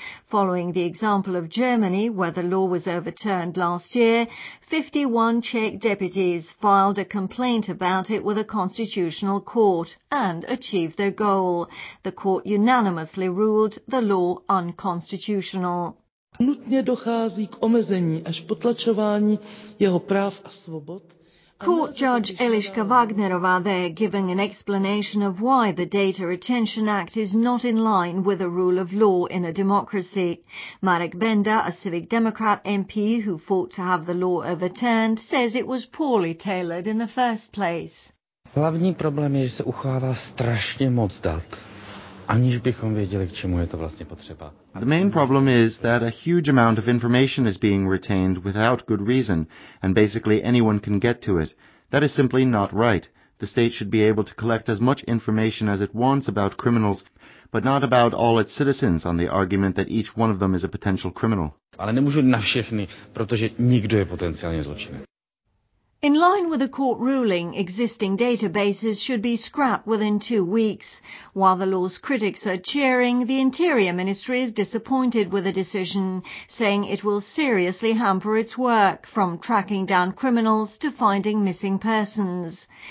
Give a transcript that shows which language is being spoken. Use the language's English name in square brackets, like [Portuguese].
[English] Following the example of Germany, where the law was overturned last year, 51 Czech deputies filed a complaint about it with a constitutional court and achieved their goal. The court unanimously ruled the law unconstitutional. [Czech] Nutně dochází k omezení až potlačování jeho práv a svobod. [English] Court Judge Eliška Wagnerová there giving an explanation of why the Data Retention Act is not in line with the rule of law in a democracy. Marek Benda, a Civic Democrat MP who fought to have the law overturned, says it was poorly tailored in the first place. [Czech] Hlavní problém je, že se uchovává strašně moc dat. Aniž bychom věděli, k čemu je to vlastně potřeba. [English] The main problem is that a huge amount of information is being retained without good reason, and basically anyone can get to it. That is simply not right. The state should be able to collect as much information as it wants about criminals, but not about all its citizens on the argument that each one of them is a potential criminal. [Czech] Ale nemůžu na všechny, protože nikdo je potenciálně zločinec. [English] In line with the court ruling, existing databases should be scrapped within 2 weeks. While the law's critics are cheering, the Interior Ministry is disappointed with the decision, saying it will seriously hamper its work, from tracking down criminals to finding missing persons.